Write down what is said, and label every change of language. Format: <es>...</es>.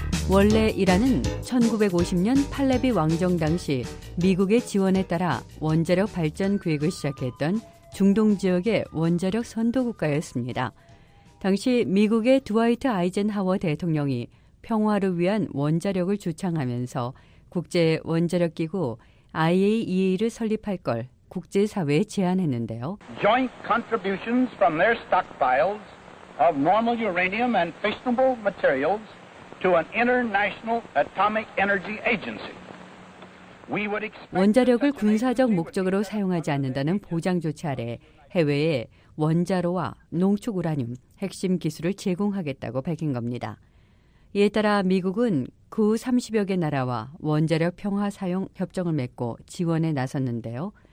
<ko>원래 이란은 1950년 팔레비 왕정 당시 미국의 지원에 따라 원자력 발전 계획을 시작했던 중동 지역의 원자력 선도 국가였습니다. 당시 미국의 드와이트 아이젠하워 대통령이 평화를 위한 원자력을 주창하면서 국제원자력기구 IAEA를 설립할 걸 국제사회에 제안했는데요.</ko> <en>Joint contributions from their stockpiles of normal uranium and fissionable materials to an international atomic energy agency.</en> <ko>원자력을 군사적 목적으로 사용하지 않는다는 보장 조치 아래 해외에 원자로와 농축 우라늄 핵심 기술을 제공하겠다고 밝힌 겁니다. 이에 따라 미국은 그 30여 개 나라와 원자력 평화 사용 협정을 맺고 지원에 나섰는데요.</ko>